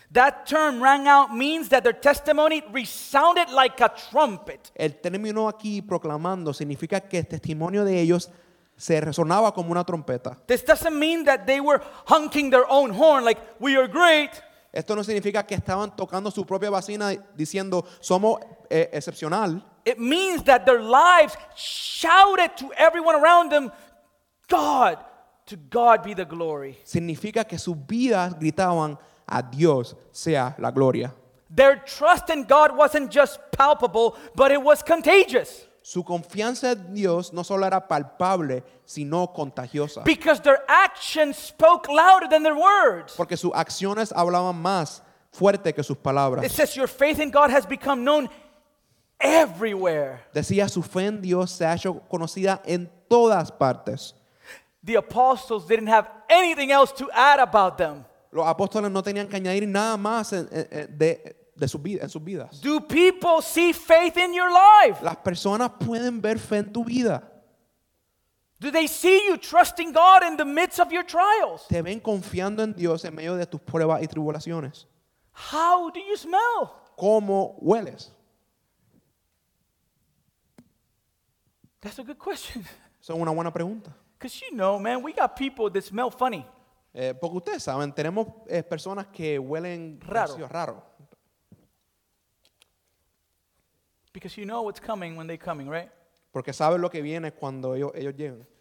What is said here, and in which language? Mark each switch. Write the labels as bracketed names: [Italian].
[English] That term rang out means that their testimony resounded like a trumpet. [Spanish] El término aquí proclamando significa que el testimonio de ellos se resonaba como una trompeta. [English] This doesn't mean that they were honking their own horn like we are great. [Spanish] Esto no significa que estaban tocando su propia bocina diciendo somos excepcional. [English] It means that their lives shouted to everyone around them, God, to God be the glory. [Spanish] Significa que sus vidas gritaban a Dios sea la gloria. [English] Their trust in God wasn't just palpable, but it was contagious. [Spanish] Su confianza en Dios no solo era palpable, sino contagiosa. [English] Because their actions spoke louder than their words. [Spanish] Porque sus acciones hablaban más fuerte que sus palabras. [English] It says your faith in God has become known everywhere. [Spanish] Decía su fe en Dios se ha hecho conocida en todas partes. [English] The apostles didn't have anything else to add about them. [Spanish] Los apóstoles no tenían que añadir nada más de sus vidas, en sus vidas. [English] Do people see faith in your life? [Spanish] Las personas pueden ver fe en tu vida. [English] Do they see you trusting God in the midst of your trials? [Spanish] Te ven confiando en Dios en medio de tus pruebas y tribulaciones. [English] How do you smell? [Spanish] ¿Cómo hueles? [English] That's a good question. [Spanish] Eso es una buena pregunta. [English] Because you know, man, we got people that smell funny. [Spanish] Porque ustedes saben, tenemos personas que huelen raro. [English] Because you know what's coming when they're coming, right? [Spanish] Porque saben lo que viene cuando ellos llegan.